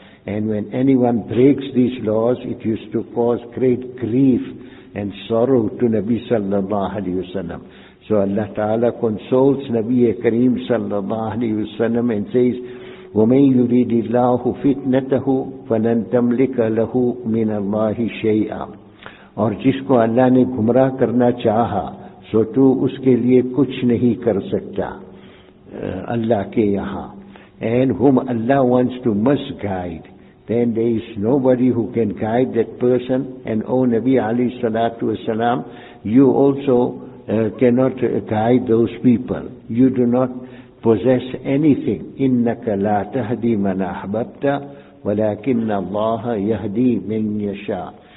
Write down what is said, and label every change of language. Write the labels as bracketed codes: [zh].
[en] And when anyone breaks these laws, it used to cause great grief and sorrow to Nabi sallallahu alaihi wasallam. So Allah Ta'ala consoles Nabi Kareem sallallahu alaihi wasallam and says, [ar] وَمَنْ يُرِيدِ اللَّهُ فِتْنَتَهُ فَلَنْ تَمْلِكَ لَهُ مِنَ اللَّهِ شَيْئًا. [ur] اور جس کو اللہ نے گمراہ کرنا چاہا سو تو اس کے لیے کچھ نہیں کر سکتا اللہ کے یہاں. [en] And whom Allah wants to misguide, then there is nobody who can guide that person. And O Nabi alayhi salatu wasalam, you also cannot guide those people. You do not possess anything. [ar] إِنَّكَ لَا تَهْدِي مَنَ أَحْبَبْتَ وَلَكِنَّ اللَّهَ يَهْدِي مَنْ يَشَاءُ.